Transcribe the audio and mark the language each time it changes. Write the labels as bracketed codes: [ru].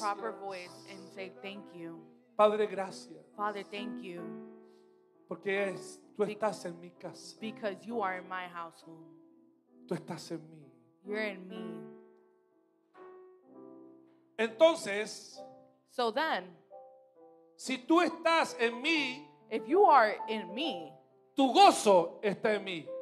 [en] Your proper voice and say thank you. [es] Padre, gracias. [en] Father, thank you. [es] Porque es, tú estás en mi casa. [en] Because you are in my household. [es] Tú estás en mí. [en] You're in me. [es] Entonces, [en] so then, [es] si tú estás en mí, [en] if you are in me, [es] tu gozo está en mí.